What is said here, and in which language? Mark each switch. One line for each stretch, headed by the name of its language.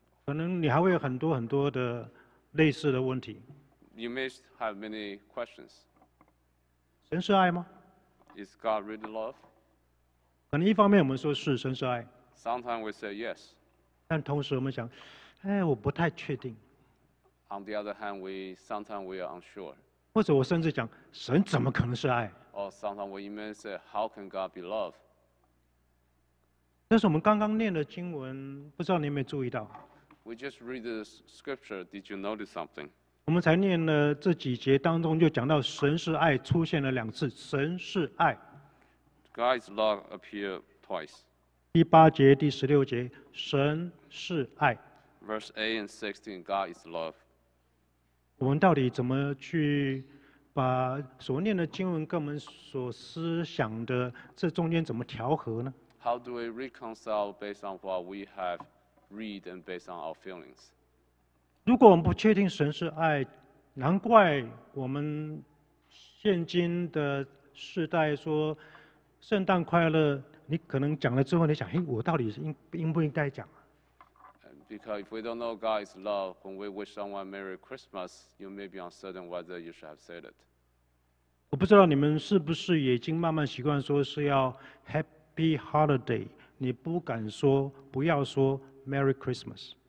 Chinese: 可能你还会有很多很多的类似的问题。
English: You may have many questions.
Chinese: 神是爱吗
English: ？Is God really love?
Chinese: 可能一方面我们说是神是爱。
English: Sometimes we say yes.
Chinese: 但同时我们想，哎，我不太确定。
English: On the other hand, we sometimes we are unsure.
Chinese: 或者我甚至讲，神怎么可能是爱
English: ？Or sometimes we even say, how can God be love?
Chinese: 这是我们刚刚念的经文，不知道你有没有注意到
English: ？We just read the scripture. Did you notice something?
Chinese: 我们才念了这几节当中，就讲到神是爱出现了两次，神是爱。
English: God's love appeared twice.
Chinese: 第八节、第十六节，神是爱。
English: Verse 8 and 16, God is love.
Chinese: 我们到底怎么去把所念的经文跟我们所思想的这中间怎么调和呢？
English: How do we reconcile based on what we have read and based on our feelings?
Chinese: 如果我们不确定神是爱，难怪我们现今的世代说圣诞快乐，你可能讲了之后你想，嘿，我到底是应不应该讲？
English: Because if we don't know God's love, when we wish someone Merry Christmas, you may be uncertain whether you should have said it.
Chinese: 我不知道你们是不是已经慢慢习惯说是要
English: Happy Holiday，
Chinese: 你不敢说，不要说
English: Merry Christmas。